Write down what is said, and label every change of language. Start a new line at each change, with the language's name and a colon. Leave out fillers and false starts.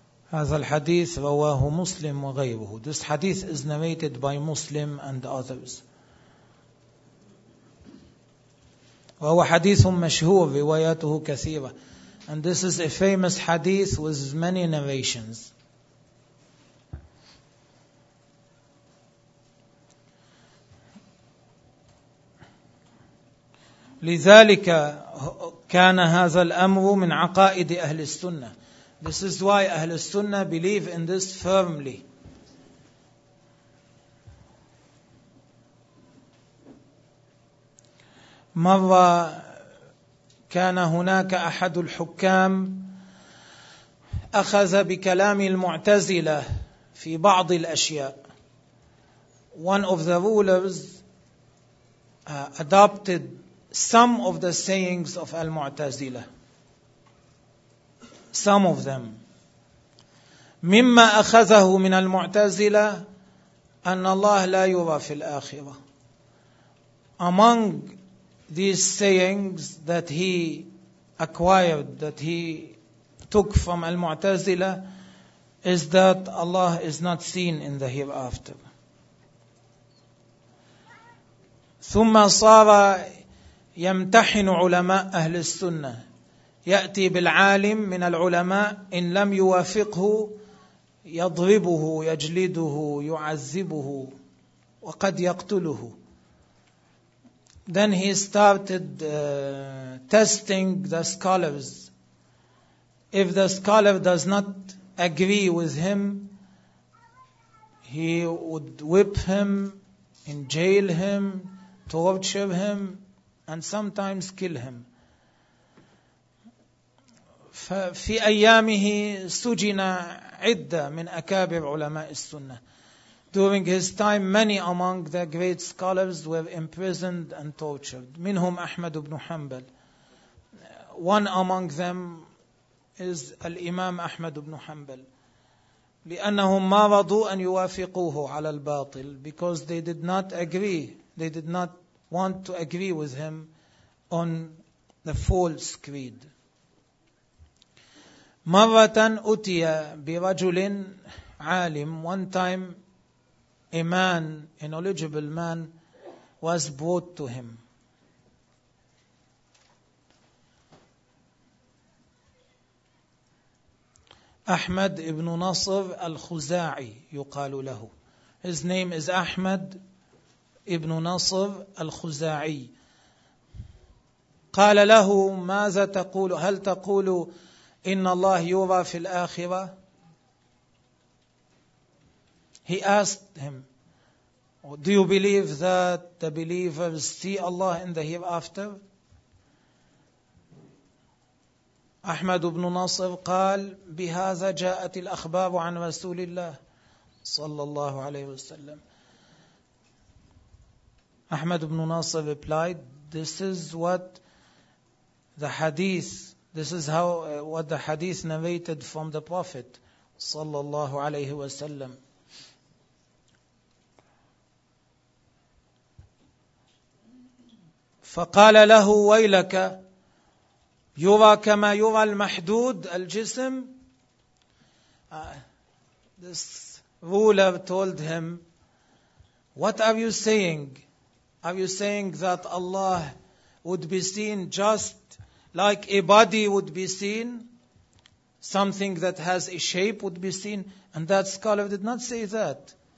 Arabic: هذا الحديث رواه مسلم وغيره.
English: This hadith is narrated by Muslim and others.
Arabic: وهو حديث مشهور رواياته كثيرة.
English: And this is a famous hadith with many narrations.
Arabic: لذلك كان هذا الأمر من عقائد أهل السنة.
English: This is why أهل السنة believe in this firmly.
Arabic: مرة كان هناك أحد الحكام أخذ بكلام المعتزلة في بعض الأشياء.
English: One of the rulers adopted some of the sayings of Al-Mu'tazila. Some of them.
Arabic: مما أخذه من المعتزلة أن الله لا يرى في الآخرة.
English: Among these sayings that he acquired, that he took from Al-Mu'tazila, is that Allah is not seen in the hereafter.
Arabic: ثم صار يمتحن علماء أهل السنة. يأتي بالعالم من العلماء إن لم يوافقه يضربه يجلده يعذبه وقد يقتله.
English: Then he started testing the scholars. If the scholar does not agree with him, he would whip him, in jail him, torture him, and sometimes kill him.
Arabic: ففي أيامه سجن عدة من أكابر علماء السنة.
English: During his time, many among the great scholars were imprisoned and tortured.
Arabic: منهم أحمد بن حنبل.
English: One among them is
Arabic: الإمام أحمد بن حنبل. لأنهم ما رضوا أن يوافقوه على الباطل.
English: Because they did not agree. They did not want to agree with him on the false creed.
Arabic: مرة أتي برجل عالم.
English: One time a man, a knowledgeable man, was brought to him.
Arabic: أحمد ابن نصر الخزاعي يقال له.
English: His name is أحمد ابن نصر الخزاعي.
Arabic: قال له ماذا تقول؟ هل تقول إن الله يرى في الآخرة؟
English: He asked him, do you believe that the believers see Allah in the hereafter?
Arabic: أحمد بن نصر قال بهذا جاءت الأخبار عن رسول الله صلى الله عليه وسلم.
English: أحمد بن نصر replied, this is what the hadith, this is how what the hadith narrated from the Prophet
Arabic: صلى الله عليه وسلم. فقال له ويلك يرى كما يرى المحدود الجسم.
English: This ruler told him, what are you saying? Are you saying that Allah would be seen just like a body would be seen? Something that has a shape would be seen? And that scholar did not say that.